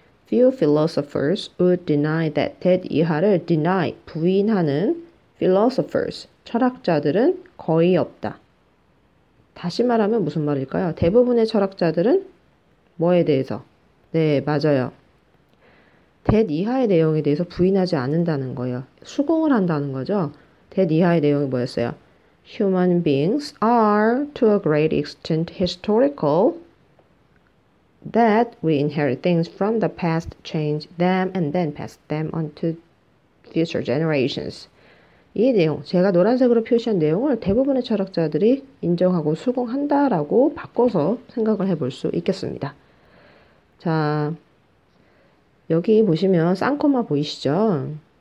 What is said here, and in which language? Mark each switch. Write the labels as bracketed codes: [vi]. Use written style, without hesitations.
[en] Few philosophers would deny that. That 이하를 deny, [ko] 부인하는 philosophers, 철학자들은 거의 없다. 다시 말하면 무슨 말일까요? 대부분의 철학자들은 뭐에 대해서? 네, 맞아요. That 이하의 내용에 대해서 부인하지 않는다는 거예요. 수긍을 한다는 거죠. That 이하의 내용이 뭐였어요? [en] Human beings are to a great extent historical that we inherit things from the past, change them, and then pass them on to future generations. [ko] 이 내용, 제가 노란색으로 표시한 내용을 대부분의 철학자들이 인정하고 수긍한다라고 바꿔서 생각을 해볼 수 있겠습니다. 자, 여기 보시면 쌍코마 보이시죠?